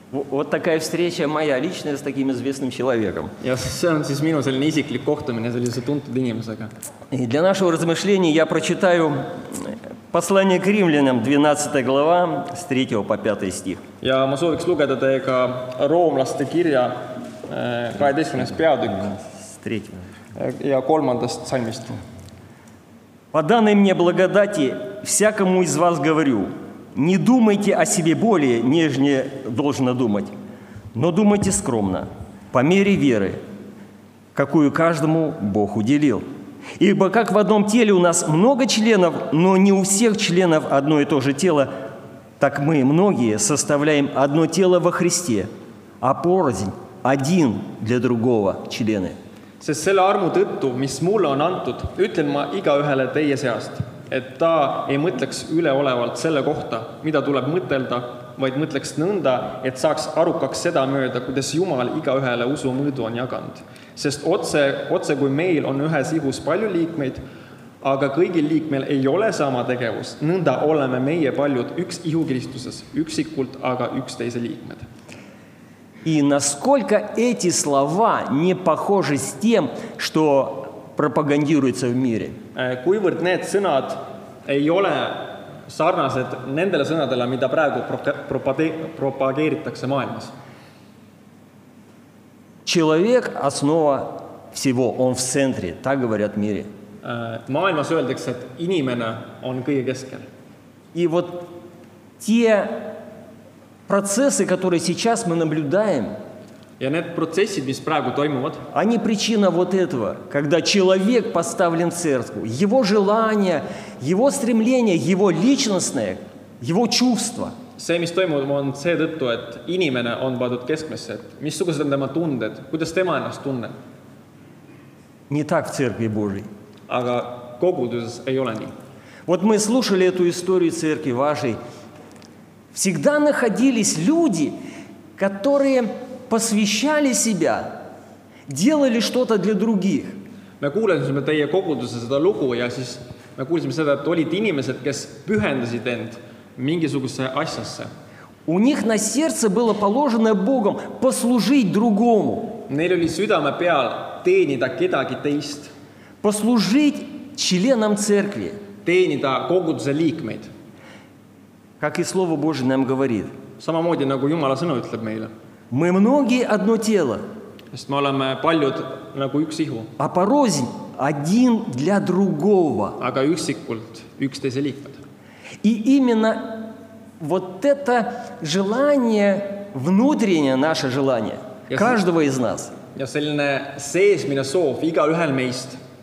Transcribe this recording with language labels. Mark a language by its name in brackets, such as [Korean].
[Russian] Вот такая встреча моя личная с таким известным человеком. [Estonian] Ja see on siis minu selline isiklik kohtumine sellise tuntud inimesega. [Russian] И для нашего размышления я прочитаю послание к римлянам, 12 глава, с 3 по 5 стих. [Estonian] Ja ma sooviks lugeda teiega roomlaste kirja 12. peatükk. [Russian] С 3. [Estonian] Ja 3. salmist. [Russian] По данной мне благодати всякому из вас говорю, не думайте о себе более, нежнее должно думать, но думайте скромно, по мере веры, какую каждому Бог уделил. Ибо как в одном теле у нас много членов, но не у всех членов одно и то же тело, так мы, многие, составляем одно тело во Христе, а порознь один для другого члены. [Estonian] Sest selle armu tõttu, mis mulle on antud, ütlen ma igaühele teie seast. Et ta ei mõtleks üleolevalt selle kohta, mida tuleb mõtelda, vaid mõtleks nõnda, et saaks arukaks seda mööda, kuidas Jumal iga ühele usu mõõdu on jaganud. Sest otse kui meil on ühes ihus palju liikmeid, aga kõigil liikmel ei ole sama tegevus, nõnda oleme meie paljud üks ihukristuses, üksikult, aga üksteise liikmed. [Russian] И насколько эти слова не похожи с тем, что пропагандируется в мире. [Estonian] Kuivõrd need sõnad ei ole sarnased nendele sõnadele, mida praegu propageeritakse maailmas. [Russian] Человек основа всего, он в центре, так говорят в мире. [Estonian] Maailmas öeldakse, et inimene on kõige keskel. [Russian] И вот те процессы, которые сейчас мы наблюдаем, [Estonian] ja need protsessid, mis praegu toimuvad. [Russian] Они причина вот этого, когда человек поставлен в церкву. Его желание, его стремление, его личностное, его чувство. [Estonian] See, mis toimub, on see tõttu, et inimene on paadud keskmesse. Missugused on tema tunded? Kuidas tema ennast tunneb? [Russian] Nii tak v cerkvi Božji. [Estonian] Aga koguduses ei ole nii. [Russian] Вот мы слушали эту историю церкви вашей. Всегда находились люди, которые посвящали себя, делали что-то для других. [Estonian] Me kuulesime teie koguduse seda lugu ja siis me kuulesime seda, et olid inimesed, kes pühendasid end mingisugusse asjasse. [Russian] У них на сердце было положено Богом послужить другому. [Estonian] Neil oli südame peal teenida kedagi teist. [Russian] Послужить членам церкви. [Estonian] Teenida koguduse liikmeid. [Russian] Как и Слово Божие нам говорит. [Estonian] Samamoodi nagu Jumala sõna ütleb meile. [Russian] Мы многие одно тело. [Estonian] Sest me oleme paljud nagu üks ihu. [Russian] А порознь один для другого. [Estonian] Aga üksikult üksteise liikmed. [Russian] И именно вот это желание, внутреннее наше желание, каждого из нас. [Estonian] Ja selline seesmine soov iga ühel meist.